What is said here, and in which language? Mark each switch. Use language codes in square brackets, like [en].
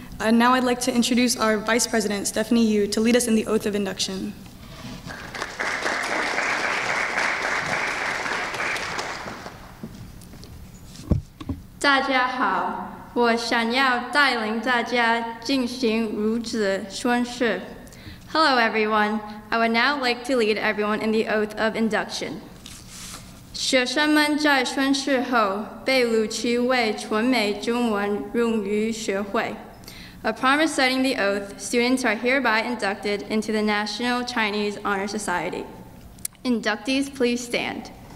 [en] And now I'd like to introduce our Vice President, Stephanie Yu, to lead us in the oath of induction. [zh] 大家好。我想要带领大家进行如此宣誓。 [en] Hello, everyone. I would now like to lead everyone in the oath of induction. [zh] 学生们在宣誓后被录取为全美中文荣誉学会。 [en] Upon reciting the oath, students are hereby inducted into the National Chinese Honor Society. Inductees, please stand.